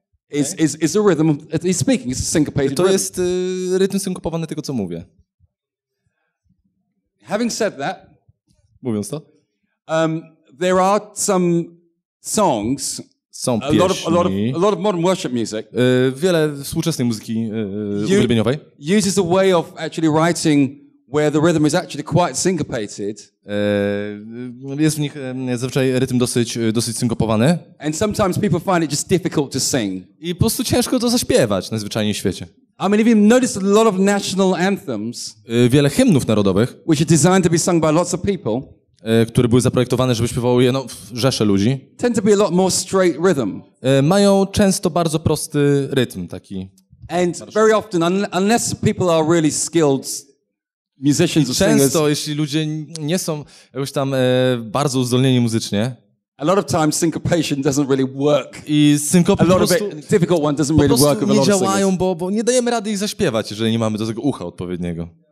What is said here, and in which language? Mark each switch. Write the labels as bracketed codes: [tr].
[en] Is the rhythm he's speaking? It's a syncopated rhythm. [pl] To jest rytm synkopowany tego co mówię. [en] Having said that, [pl] mówiąc to, [en] there are some songs, a lot of modern worship music. [pl] Wiele współczesnej muzyki uwielbieniowej [en] uses a way of actually writing where the rhythm is actually quite syncopated. [pl] Jest w nich zazwyczaj rytm dosyć synkopowany. [en] And sometimes people find it just difficult to sing. [pl] I po prostu ciężko to zaśpiewać na zwyczajnym świecie. [en] I mean, if you notice a lot of national anthems, [pl] wiele hymnów narodowych, [en] which are designed to be sung by lots of people, [pl] które były zaprojektowane, żeby śpiewało je rzesze ludzi, [en] tend to be a lot more straight rhythm. [pl] Mają często bardzo prosty rytm taki. [en] And very often, unless people are really skilled musicians or singers, [pl] często jeśli ludzie nie są jakoś tam bardzo uzdolnieni muzycznie. [en] A lot of times syncopation doesn't really work. [pl] I syncopa po prostu [en] difficult one doesn't really work. [pl] Nie działają, bo nie dajemy rady ich zaśpiewać, jeżeli nie mamy do tego ucha odpowiedniego.